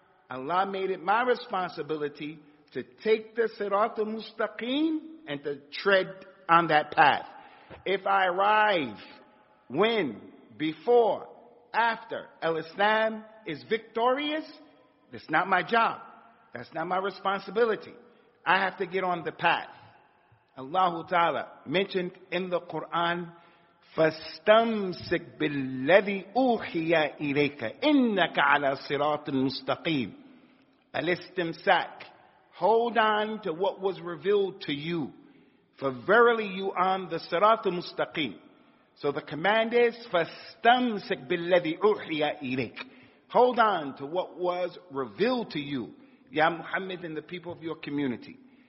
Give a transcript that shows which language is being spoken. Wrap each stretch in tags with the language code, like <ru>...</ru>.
<en>Allah made it my responsibility to take the sirat al-mustaqim and to tread on that path. If I arrive when, before, after al-Islam is victorious, that's not my job. That's not my responsibility. I have to get on the path. Allah Ta'ala mentioned in the Quran,</en> <ar>فَاسْتَمْسِكْ بِالَّذِي أُوحِيَ إِلَيْكَ إِنَّكَ عَلَى صِرَاطٍ مُسْتَقِيمٍ الْإِسْتِمْسَاكِ.</ar> <en>Hold on to what was revealed to you, for verily you are on the sirat al-mustaqim. So the command is,</en> <ar>فَاسْتَمْسِكْ بِالَّذِي أُوحِيَ إِلَيْكَ.</ar> <en>Hold on to what was revealed to you, Ya Muhammad, and the people of your community.</en>